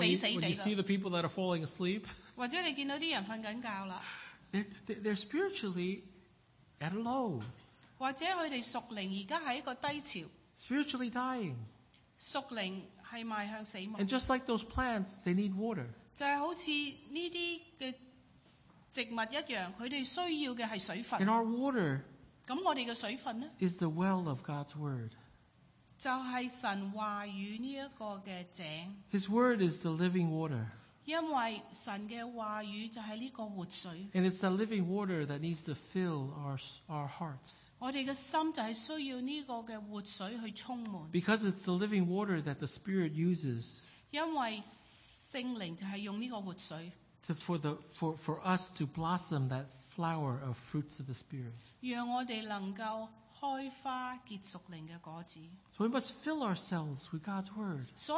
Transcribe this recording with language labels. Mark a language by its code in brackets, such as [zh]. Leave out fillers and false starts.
[en] When you see the people that are falling asleep, [yue] 或者你见到啲人瞓紧觉啦。 [en] They're spiritually at a low. [yue] 或者佢哋属灵而家喺一个低潮。 [en] Spiritually dying. [yue] 属灵系迈向死亡。 [en] And just like those plants, they need water. [yue] 就系好似呢啲嘅植物一样，佢哋需要嘅系水分。 [en] And our water. [yue] 咁我哋嘅水分呢 [en] ？Is the well of God's word. [yue] 就系神话语呢一个嘅井。 [en] His word is the living water. [yue] 因为神嘅话语就系呢个活水。 [en] And it's the living water that needs to fill our hearts. [yue] 我哋嘅心就系需要呢个嘅活水去充满。 [en] Because it's the living water that the Spirit uses. [yue] 因为圣灵就系用呢个活水。 [en] To, for, the, for us to blossom that flower of fruits of the Spirit. So we must fill ourselves with God's Word.